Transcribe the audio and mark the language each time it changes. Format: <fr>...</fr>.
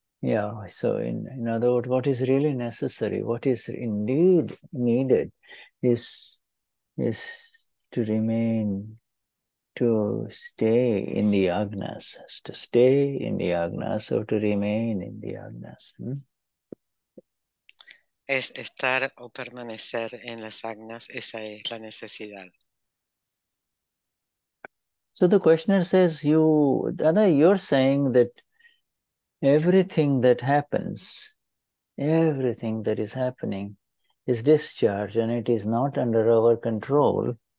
<en>Yeah, so in other words, what is really necessary, what is indeed needed is to remain, to stay in the agnas, to stay in the agnas or to remain in the agnas.</en> <es>Es estar o permanecer en las agnas, esa es la necesidad.</es> <en>So the questioner says, Dada, you're saying that everything that is happening is discharged and it is not under our control.</en>